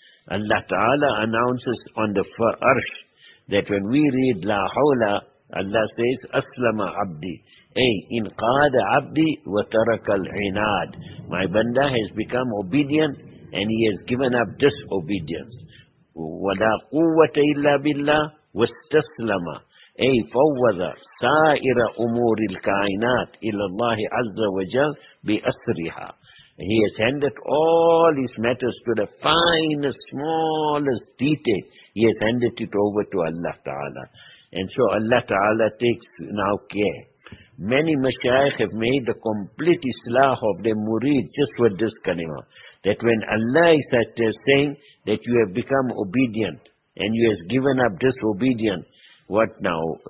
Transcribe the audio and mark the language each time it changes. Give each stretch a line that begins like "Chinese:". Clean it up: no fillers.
English: Allah Ta'ala announces on the arsh that when we read La Hawla, Allah says,
Arabic: أَسْلَمَ عَبْدِي إِنْقَادَ عَبْدِي وَتَرَكَ الْعِنَادِ
English: My banda has become obedient and he has given up disobedience.
Arabic: وَلَا قُوَّةَ إِلَّا بِاللَّهِ وَاسْتَسْلَمَ فَوَّذَ سَائِرَ أُمُورِ الْكَائِنَاتِ إِلَى اللَّهِ عَزَّ وَجَلْ بِأَسْرِهَا
English: He has handed all his matters to the finest, smallest detail He has handed it over to Allah Ta'ala. And so Allah Ta'ala takes now care. Many mashayikh have made the complete islah of their murid just with this kalima. That when Allah is at their saying that you have become obedient and you have given up disobedience, what now?